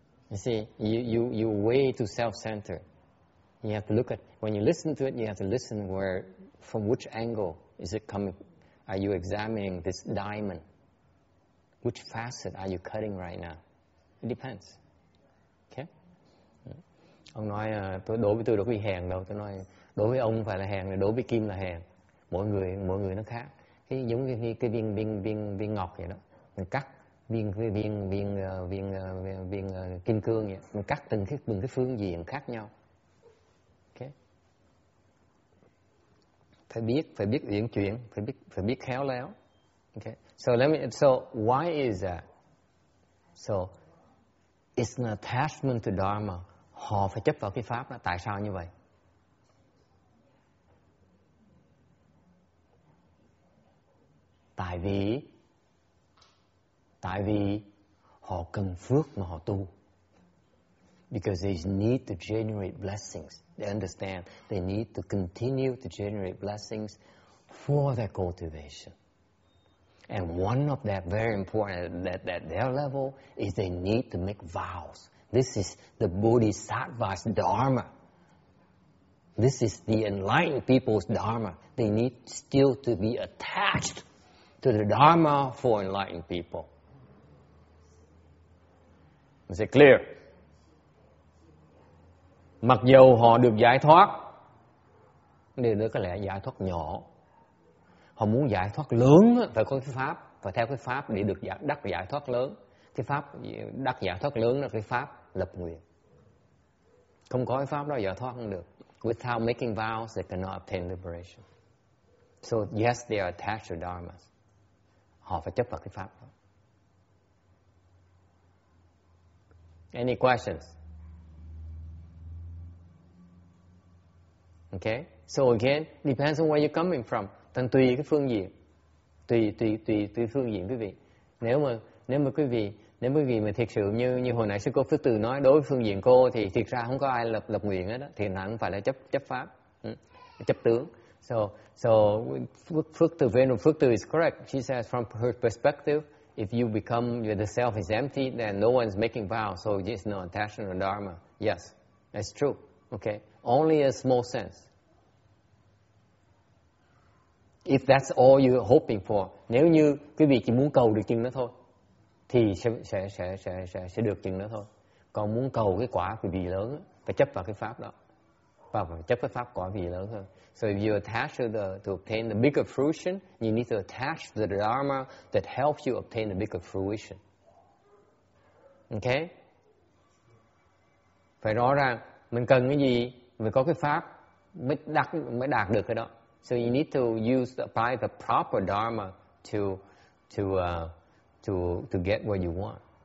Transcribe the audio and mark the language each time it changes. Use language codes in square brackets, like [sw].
[en] You see, you way too self-centered. You have to look at, when you listen to it, you have to listen where, from which angle is it coming? Are you examining this diamond? Which facet are you cutting right now? It depends. Okay? [vi] Ông nói, tôi đối với tôi đâu có bị hèn đâu. Tôi nói, đối với ông phải là hèn, đối với Kim là hèn. Mỗi người nó khác. Cái giống như cái viên ngọc vậy đó, mình cắt viên kim cương vậy, mình cắt từng cái phương diện khác nhau. Ok, phải biết uyển chuyển, phải biết khéo léo. [en] Ok, so why is that? So it's an attachment to Dharma. [vi] Họ phải chấp vào cái pháp đó. Tại sao như vậy? Tại vì họ cần phước mà họ tu. [en] Because they need to generate blessings. They understand they need to continue to generate blessings for their cultivation. And one of that very important that their level is they need to make vows. This is the Bodhisattva's Dharma. This is the enlightened people's Dharma. They need still to be attached to the Dharma for enlightened people. Is it clear? [vi] Mặc dù họ được giải thoát, điều đó có lẽ giải thoát nhỏ. Họ muốn giải thoát lớn phải có cái pháp, phải theo cái pháp để được đắc giải thoát lớn. Cái pháp đắc giải thoát lớn là cái pháp lập nguyện. Không có cái pháp đó giải thoát không được. [en] Without making vows, they cannot obtain liberation. So yes, they are attached to Dharma. [vi] Họ phải chấp vào cái pháp đó. [en] Any questions? Okay. So again, depends on where you're coming from. [vi] Tùy cái phương diện. Tùy phương diện quý vị. Nếu mà quý vị Nếu quý vị mà thiệt sự như như hồi nãy sư cô Phước Từ nói, đối với phương diện cô thì thiệt ra không có ai lập lập nguyện hết đó, thì hẳn phải là chấp pháp, chấp tướng. [en] So Phước Từ, Venerable Phước Từ is correct. She says from her perspective, if you become, the self is empty, then no one's making vow, so there's no attachment to dharma. Yes, that's true. Okay, only a small sense. If that's all you're hoping for, [vi] nếu như quý vị chỉ muốn cầu được chừng đó thôi, thì sẽ được chừng đó thôi. Còn muốn cầu cái quả của vị lớn, phải chấp vào cái pháp đó, và phải chấp cái pháp quả vị lớn hơn. [en] So if you attach to obtain the bigger fruition, you need to attach the dharma that helps you obtain the bigger fruition. Okay? [vi] Phải rõ ràng mình cần cái gì, mình có cái pháp mới đạt được cái đó. [en] So you need to apply the proper dharma to get what you want.